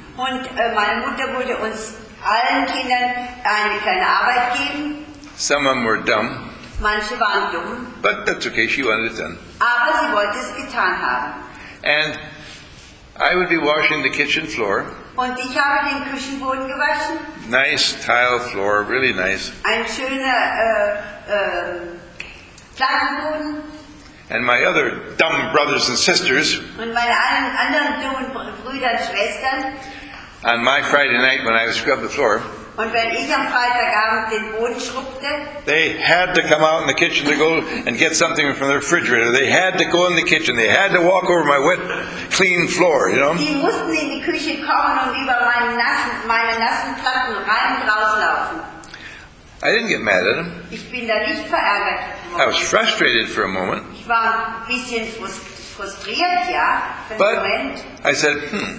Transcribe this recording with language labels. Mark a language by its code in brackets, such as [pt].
[de] Und meine Mutter würde uns allen Kindern eine kleine Arbeit geben. [en] Some of them were dumb. [de] Manche waren dumm. [en] But that's okay, she wanted it done. [de] Aber sie wollte es getan haben. [en] And I would be washing the kitchen floor. [de] Und ich habe den Küchenboden gewaschen. [en] Nice tile floor, really nice. [de] Ein schöner Plattenboden. [en] And my other dumb brothers and sisters. [de] Und meine anderen dummen Brüder und Schwestern. [en] On my Friday night when I scrubbed the floor. [de] Und wenn ich am Freitagabend den Boden schrubbte. [en] They had to come out in the kitchen to go and get something from the refrigerator. They had to go in the kitchen. They had to walk over my wet, clean floor, you know. [de] Die mussten in die Küche kommen und über meine nassen Platten rein und rauslaufen. [en] I didn't get mad at them. [de] Ich bin da nicht verärgert. [en] I was frustrated for a moment. [de] Ich war ein bisschen frustriert, ja, für einen Moment. [en] I said,